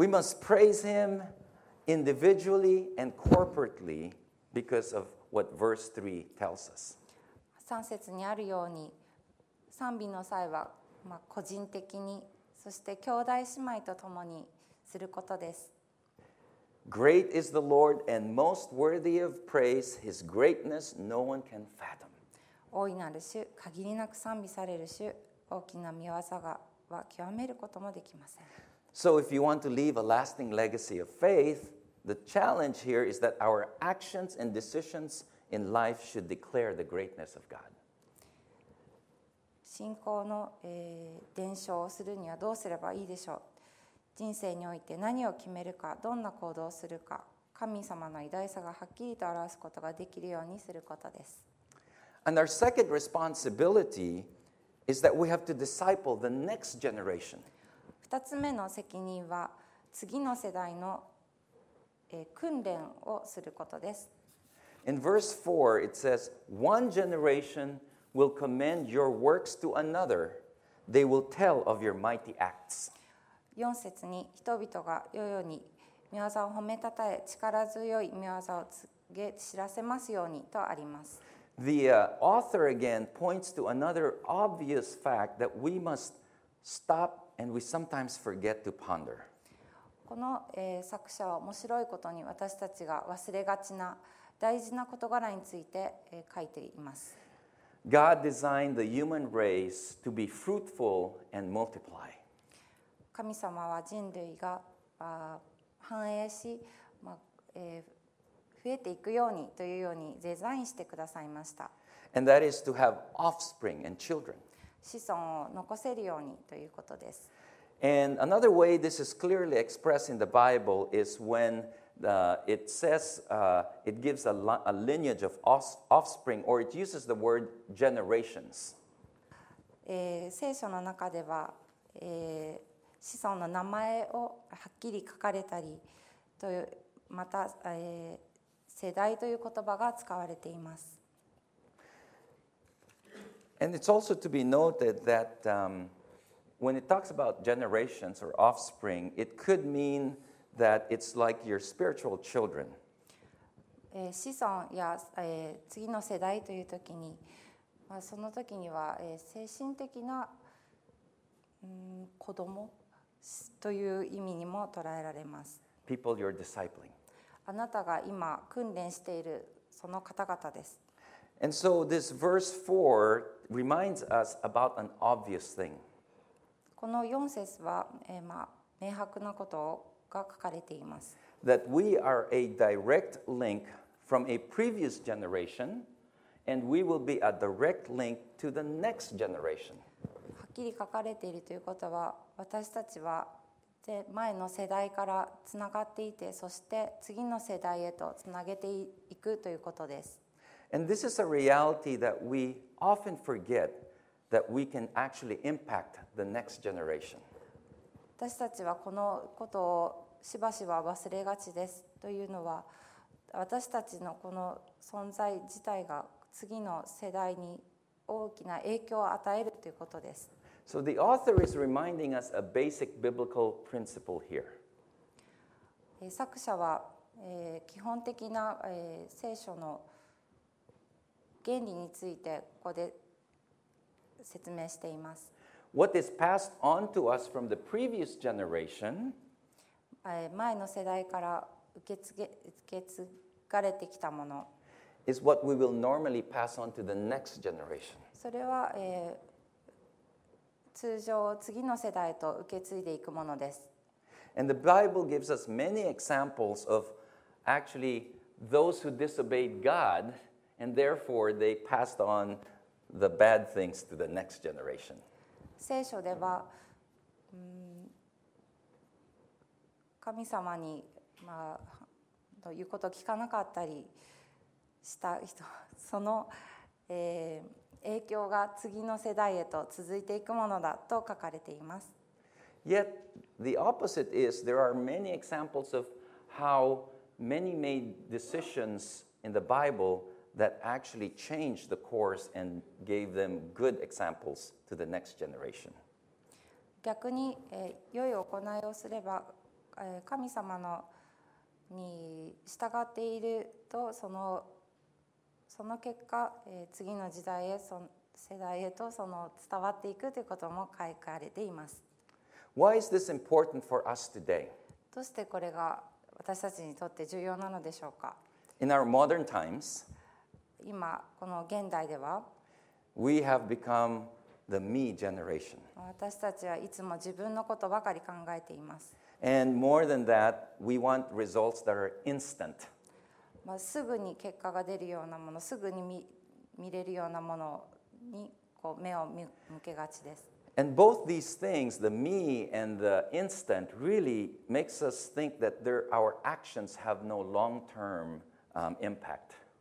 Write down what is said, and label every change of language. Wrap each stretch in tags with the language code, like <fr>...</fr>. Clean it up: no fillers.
<en>We must praise him individually and corporately because of what verse 3 tells us.</en> <ja>3節にあるように、賛美の際は、個人的に、そして兄弟姉妹と共にすることです。</ja> <en>Great is the Lord and most worthy of praise. His greatness no one can fathom.</en> <ja>大いなる主、限りなく賛美される主、大きな御業は極めることもできません。</ja> <en>So if you want to leave a lasting legacy of faith, the challenge here is that our actions and decisions in life should declare the greatness of God.</en> <ja>信仰の、伝承をするにはどうすればいいでしょう。人生において何を決めるか、どんな行動をするか、神様の偉大さがはっきりと表すことができるようにすることです。</ja> <en>And our second responsibility is that we have to disciple the next generation.</en> <ja>2つ目の責任は次の世代の訓練をすることです。</ja> <en>In verse 4, it says, One generation will commend your works to another. They will tell of your mighty acts.</en> <ja>4節に人々が良いように御業を褒めたたえ、力強い御業を告げ知らせますようにとあります。</ja> <en>The author again points to another obvious fact that we must stop and we sometimes forget to ponder.</en> <ja>この、作者は面白いことに私たちが忘れがちな大事な事柄について、書いています。</ja> <en>God designed the human race to be fruitful and multiply.</en> <ja>神様は人類が、繁栄し、増えていくようにというようにデザインしてくださいました。</ja> <en>And that is to have offspring and children.</en> <ja>子孫を残せるようにということです。</ja> <en>And another way this is clearly expressed in the Bible is when it says it gives a lineage of offspring or it uses the word generations.</en> <ja>聖書の中では、子孫の名前をはっきり書かれたりというまた、世代という言葉が使われています。</ja> <en>And it's also to be noted that when it talks about generations or offspring, it could mean that it's like your spiritual children.</en> <ja>子孫や、次の世代という時に、その時には、精神的な、子供という意味にも捉えられます。</ja> <en>People you're discipling.</en> <ja>あなたが今訓練しているその方々です。</ja> <en>And so this verse 4 reminds us about an obvious thing.</en> <ja>この4節は、まあ、明白なことが書かれています。</ja> <en>That we are a direct link from a previous generation, and we will be a direct link to the next generation.</en> <ja>はっきり書かれているということは、私たちは前の世代からつながっていて、そして次の世代へとつなげていくということです。</ja> <en>And this is a reality that we often forget that we can actually impact the next generation.</en> <ja>私たちはこのことをしばしば忘れがちですというのは、私たちのこの存在自体が次の世代に大きな影響を与えるということです。</ja> <en>So the author is reminding us a basic biblical principle here.</en> <ja>作者は基本的な聖書の原理についてここで説明しています。</ja> <en>What is passed on to us from the previous generation?</en> <ja>前の世代から受け継がれてきたもの</ja> <en>is what we will normally pass on to the next generation.</en> <ja>それは通常次の世代へと受け継いでいくものです。</ja> <en>And the Bible gives us many examples of actually those who disobeyed God. And therefore, they passed on the bad things to the next generation.</en> <ja>聖書では、神様に、まあ、言うことを聞かなかったりした人、その、影響が次の世代へと続いていくものだと書かれています。</ja> <en>Yet, the opposite is there are many examples of how many made decisions in the Bible. That actually changed the course and gave them good examples to the next generation.</en> <ja>逆に、良い行いをすれば、神様のに従っているとその結果、次の時代へ、その世代へとその伝わっていくということも書かれています。</ja> <en>Why is this important for us today?</en> <ja>どうしてこれが私たちにとって重要なのでしょうか?</ja> <en>In our modern times.</en> <ja>今この現代では</ja> <en>We have become the me generation.</en> <ja>私たちはいつも自分のことばかり考えています。</ja> <en>And more than that, we want results that are instant.</en> <ja>まあ、すぐに結果が出るようなもの、すぐに 見れるようなものにこう目を向けがちです。</ja> <en>And both these things, the me and the instant, really makes us think that our actions have no long-term impact.</en>